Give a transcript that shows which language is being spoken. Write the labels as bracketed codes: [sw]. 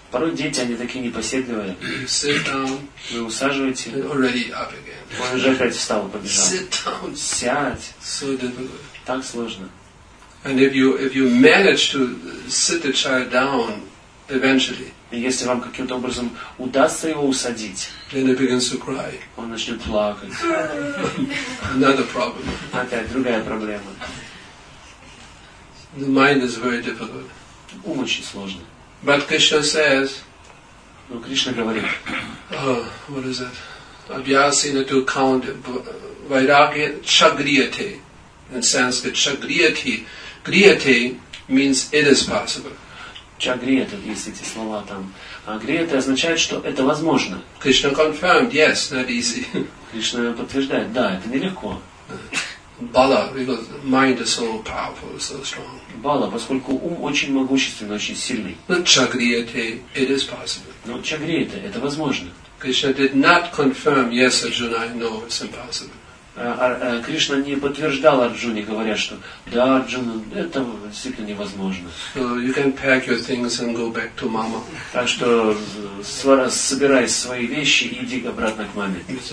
[ru] Порой дети, они такие непоседливые. [en] Sit down. [ru] Вы усаживаете. [en] Already up again. [ru] Он уже опять встал и побежал. [en] Sit down. [ru] Сядь. [en] So difficult. [ru] Так сложно. [en] And if you manage to sit the child down eventually. [ru] И если вам каким-то образом удастся его усадить. [en] Then he begins to cry. [ru] Он начнет плакать. [en] Another problem. [ru] Опять другая проблема. [en] The mind is very difficult. [ru] Ум очень сложный. [en] But Krishna says. [ru] Но Кришна говорит. [en] What is that? [sa] Abhyasena to count vairagya chagriyate. [en] In Sanskrit, chagriyate. Griyate means it is possible. [ru] Chagriyate, есть эти слова там. Griyate означает, что это возможно. [en] Krishna confirmed, yes, not easy. [ru] Кришна подтверждает, да, это нелегко. [en] Bala, because mind is so powerful, so strong. [ru] Bala, поскольку ум очень могущественный, очень сильный. [en] But chagriyate, it is possible. [ru] Но chagriyate, это возможно. [en] Krishna did not confirm, yes, Arjuna, no, it's impossible. [ru] Кришна не подтверждал Арджуне, говоря, что да, Арджуна, это действительно невозможно. [en] So you can pack your things and go back to mama. [ru] Так что собирай свои вещи и иди обратно к маме.